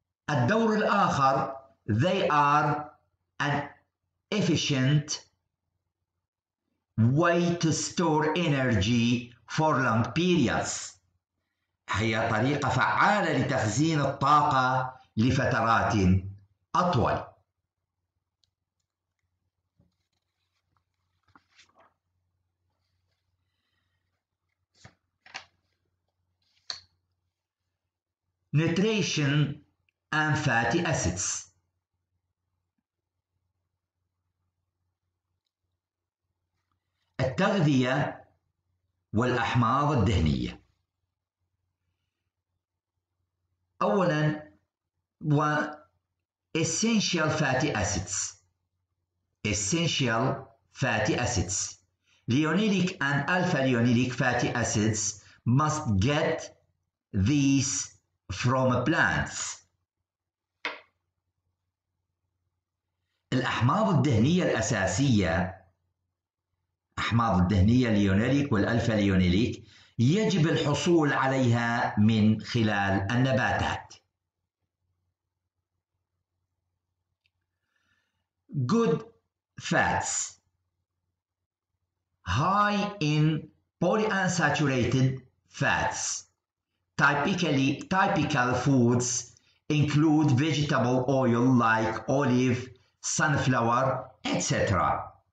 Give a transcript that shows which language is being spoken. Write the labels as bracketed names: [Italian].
[Arabic] الدور الآخر [English] they are an efficient way to store energy for long periods. [Arabic] هي طريقة فعالة لتخزين الطاقة لفترات أطول. [English] Nutrition and fatty acids. [Arabic] التغذية والأحماض الدهنية. أولاً و [English] essential fatty acids. Essential fatty acids. Linoleic and alpha linoleic fatty acids must get these from plants. [Arabic] الأحماض الدهنية الأساسية أحماض الدهنية اليونيليك والألفا اليونيليك يجب الحصول عليها من خلال النباتات. [English] Good fats high in polyunsaturated fats typical foods include vegetable oil like olive sunflower etc.